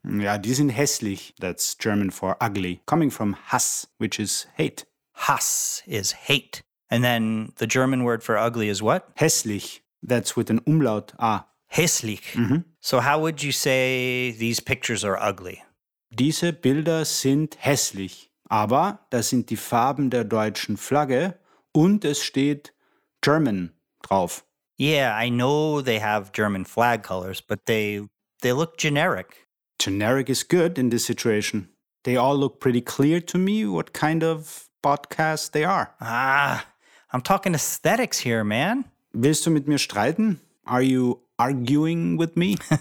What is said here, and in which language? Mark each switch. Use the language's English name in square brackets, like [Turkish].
[German] Ja, die sind hässlich. [English] That's German for ugly. Coming from Hass, which is hate. Hass is hate. And then the German word for ugly is what? Hässlich. That's with an umlaut A. [German] Hässlich. Mm-hmm. [English] So how would you say these pictures are ugly? [German] Diese Bilder sind hässlich. Aber das sind die Farben der deutschen Flagge und es steht German drauf. [English] Yeah, I know they have German flag colors, but they look generic. Generic is good in this situation. They all look pretty clear to me what kind of podcast they are. Ah, I'm talking aesthetics here, man. [German] Willst du mit mir streiten? [English] Are you arguing with me?